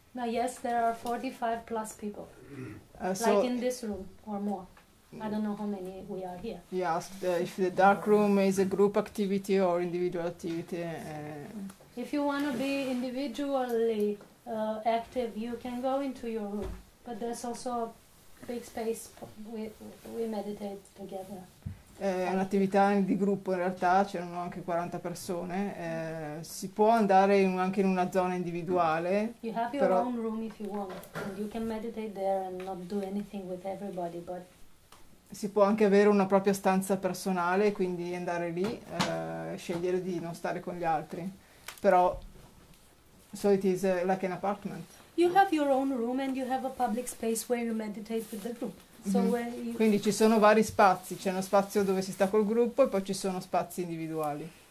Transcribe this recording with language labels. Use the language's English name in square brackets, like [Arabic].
[English] No, yes, there are 45 plus people, like in this room or more. I don't know how many we are here. Yes, if the dark room is a group activity or individual activity. If you want to be individually active, you can go into your room, but there's also big space we meditate together. [Italian] È un'attività di gruppo, in realtà c'erano anche 40 persone. Si può andare anche in una zona individuale. [English] You have your own room if you want, and you can meditate there and not do anything with everybody, but [Italian] si può anche avere una propria stanza personale, quindi andare lì, scegliere di non stare con gli altri. Però, [English] so it is like an apartment. You have your own room and you have a public space where you meditate with the group. So where you [Italian] quindi ci sono vari spazi, c'è uno spazio dove si sta col gruppo e poi ci sono spazi individuali.